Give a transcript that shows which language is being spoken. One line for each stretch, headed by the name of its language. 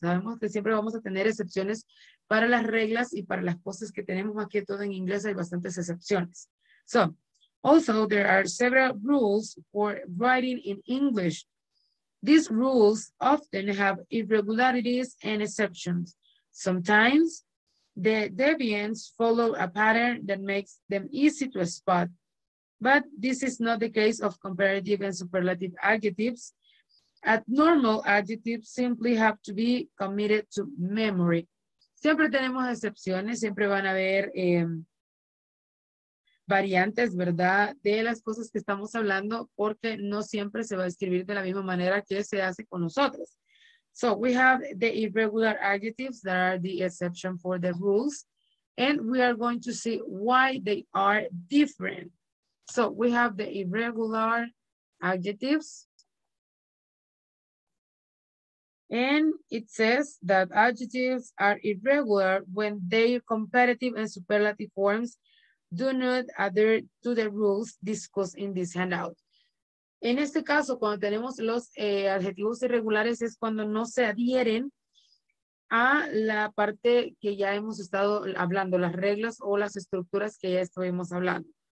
Spanish: Sabemos que siempre vamos a tener excepciones para las reglas y para las cosas que tenemos aquí, todo en inglés hay bastantes excepciones.
English: So, also there are several rules for writing in English. These rules often have irregularities and exceptions. Sometimes the deviants follow a pattern that makes them easy to spot, but this is not the case of comparative and superlative adjectives. Abnormal adjectives simply have to be committed to memory.
Spanish: Siempre tenemos excepciones, siempre van a haber variantes, ¿verdad?, de las cosas que estamos hablando, porque no siempre se va a escribir de la misma manera que se hace con nosotros.
English: So we have the irregular adjectives that are the exception for the rules, and we are going to see why they are different. So we have the irregular adjectives, and it says that adjectives are irregular when their comparative and superlative forms do not adhere to the rules discussed in this handout.
Spanish: En este caso, cuando tenemos los adjetivos irregulares, es cuando no se adhieren a la parte que ya hemos estado hablando, las reglas o las estructuras que ya estuvimos hablando.